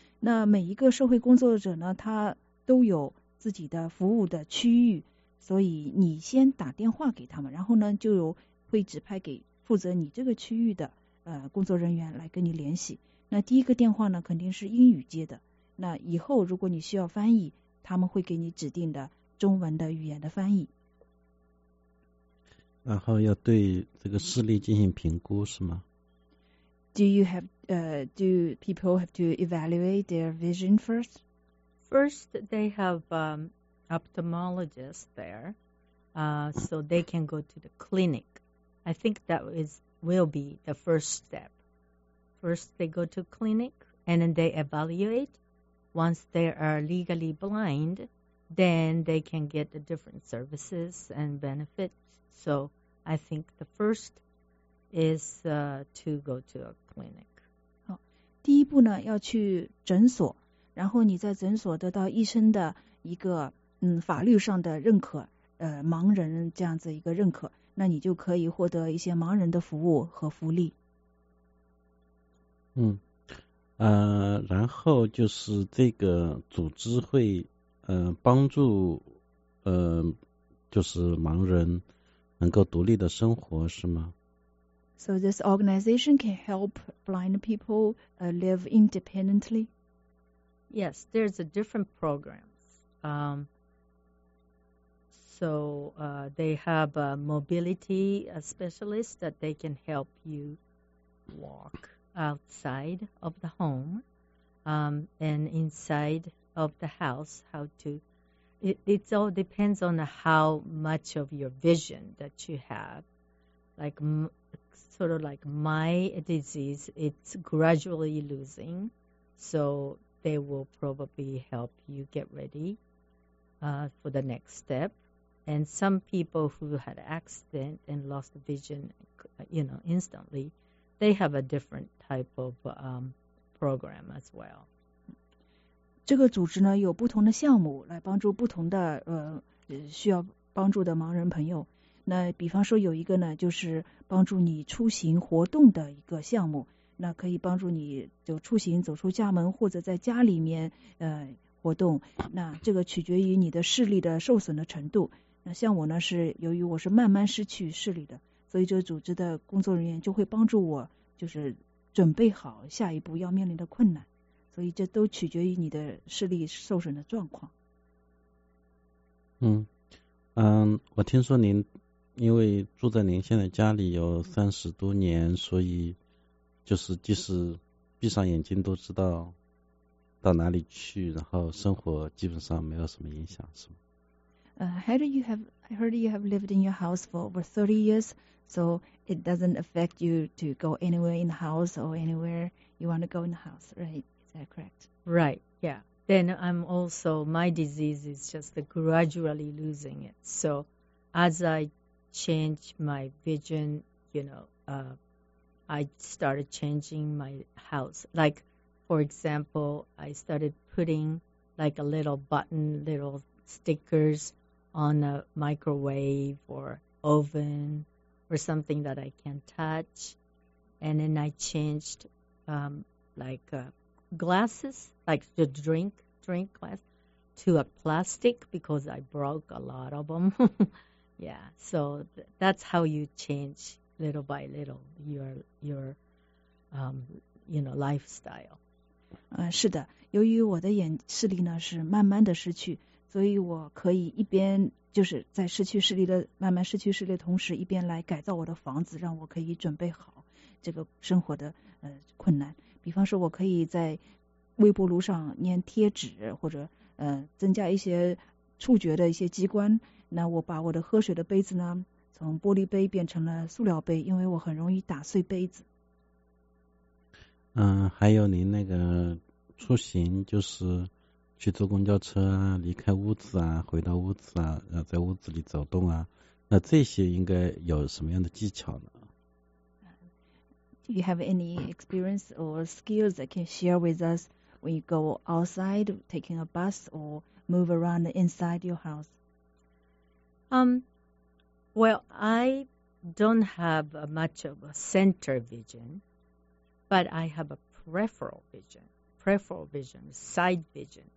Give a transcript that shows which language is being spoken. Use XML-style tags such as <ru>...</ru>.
<zh>那每一个社会工作者呢他都有自己的服务的区域，所以你先打电话给他们，然后呢就有会指派给负责你这个区域的工作人员来跟你联系。那第一个电话呢肯定是英语接的，那以后如果你需要翻译，他们会给你指定的中文的语言的翻译。然后要对这个视力进行评估是吗？</zh> <en>Do people have to evaluate their vision first? First they have ophthalmologist there, so they can go to the clinic. I think that will be the first step. First, they go to clinic, and then they evaluate. Once they are legally blind, then they can get the different services and benefits. So I think the first is to go to a clinic.</en> <zh>好，第一步呢，要去诊所，然后你在诊所得到医生的一个法律上的认可，盲人这样子一个认可，那你就可以获得一些盲人的服务和福利。然后就是这个组织会帮助就是盲人能够独立的生活是吗？</zh> <en>So this organization can help blind people live independently? Yes, there's a different program. They have a mobility specialist that they can help you walkOutside of the home, and inside of the house, how to It all depends on how much of your vision that you have. Like, sort of like my disease, it's gradually losing. So they will probably help you get ready for the next step. And some people who had accident and lost vision, you know, instantly, they have a different type of program as well.</en> <zh>这个组织呢有不同的项目来帮助不同的需要帮助的盲人朋友。那比方说有一个呢就是帮助你出行活动的一个项目，那可以帮助你就出行走出家门或者在家里面活动。那这个取决于你的视力的受损的程度。那像我呢是由于我是慢慢失去视力的，所以这个组织的工作人员就会帮助我就是准备好下一步要面临的困难。所以这都取决于你的视力受损的状况。我听说您因为住在您现在家里有30多年，所以就是即使闭上眼睛都知道到哪里去，然后生活基本上没有什么影响，是吗？</zh> <en>I heard you have lived in your house for over 30 years, so it doesn't affect you to go anywhere in the house or anywhere you want to go in the house, right? Correct. Right, yeah. Then I'm also, my disease is just gradually losing it. So as I change my vision, you know, I started changing my house. Like, for example, I started putting like a little button, little stickers on a microwave or oven or something that I can touch. And then I changed glasses, like the drink glass, to a plastic because I broke a lot of them. Yeah, so that's how you change little by little your lifestyle.</en> <zh>是的，由于我的眼视力呢是慢慢的失去，所以我可以一边就是在失去视力的慢慢失去视力的同时，一边来改造我的房子，让我可以准备好这个生活的困难。比方说我可以在微波炉上粘贴纸或者增加一些触觉的一些机关。那我把我的喝水的杯子呢从玻璃杯变成了塑料杯，因为我很容易打碎杯子。还有您那个出行，就是去坐公交车啊，离开屋子啊，回到屋子啊，然后在屋子里走动啊，那这些应该有什么样的技巧呢？</zh> <en>Do you have any experience or skills that can share with us when you go outside, taking a bus or move around inside your house? Well, I don't have much of a center vision, but I have a peripheral vision, side vision.</en>